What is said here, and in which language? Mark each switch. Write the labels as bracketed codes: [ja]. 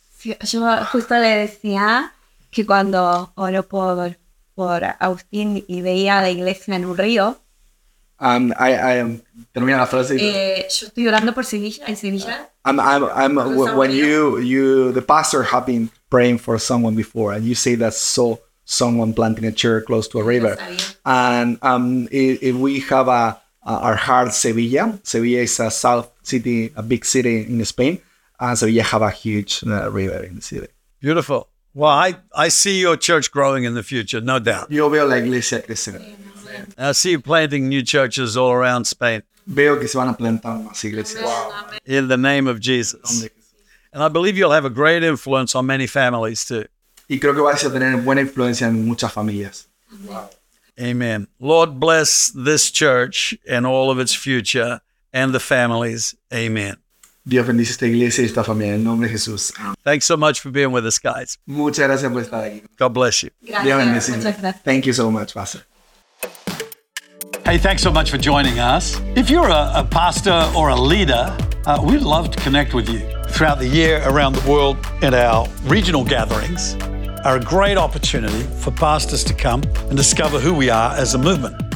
[es] Yo justo le decía que cuando oro por Agustín y veía la iglesia en un río. Termina la frase. Yo estoy orando por Sevilla, en Sevilla. [en] When you the pastor have been praying for someone before and you say that saw someone planting a chair close to a river. And if we have our heart Sevilla. Sevilla is a south city, a big city in Spain. And so you have a huge river in the city. Beautiful. Well, I see your church growing in the future, no doubt. [es] Yo veo la iglesia crecer. [en] I see you planting new churches all around Spain. [es] Veo que se van a plantar más iglesias. [en] Wow. In the name of Jesus. And I believe you'll have a great influence on many families too. [es] Y creo que vas a tener buena influencia en muchas familias. [en] Wow. Amen. Lord bless this church and all of its future and the families. Amen. [es] Dios bendice esta iglesia y esta familia en el nombre de Jesús. [en] Thanks so much for being with us, guys. [es] Muchas gracias por estar aquí. [en] God bless you. [es] Gracias. Dios bendice. Muchas gracias. [en] Thank you so much, Pastor. Hey, thanks so much for joining us. If you're a pastor or a leader, we'd love to connect with you. Throughout the year, around the world, and our regional gatherings are a great opportunity for pastors to come and discover who we are as a movement.